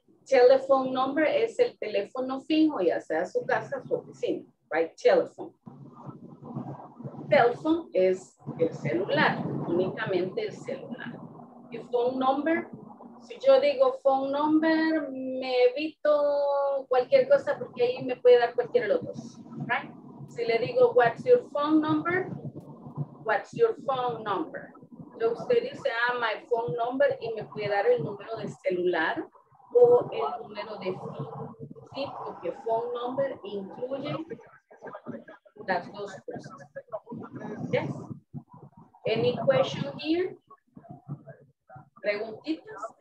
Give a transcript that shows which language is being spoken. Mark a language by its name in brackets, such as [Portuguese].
[Spanish] Telephone number es el teléfono fijo, ya sea su casa, su oficina. [English] Right? Telephone. [Spanish] Telephone es el celular, únicamente el celular. Y phone number, si yo digo phone number, me evito cualquier cosa porque ahí me puede dar cualquiera de los dos, [English] right? [Spanish] Si le digo [English] what's your phone number, what's your phone number. [Spanish] Lo que usted dice, [English] ah, my phone number, [Spanish] y me puede dar el número de celular o el número de phone. Sí, porque phone number incluye las dos cosas. [English] Yes. Any question here? [Spanish] Preguntitas?